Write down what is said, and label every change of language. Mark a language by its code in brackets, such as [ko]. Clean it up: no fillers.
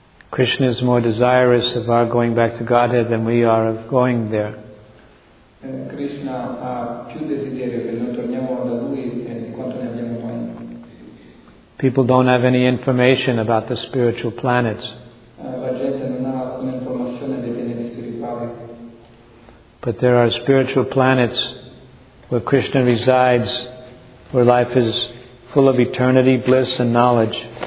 [en] Krishna is more desirous of our going back to Godhead than we are of going there. [it] Krishna ha più desiderio che noi torniamo da lui di quanto ne abbiamo noi. [en] People don't have any information about the spiritual planets. [it] La gente non ha alcuna informazione dei pianeti spirituali. [en] But there are spiritual planets where Krishna resides, where life is full of eternity, bliss and knowledge.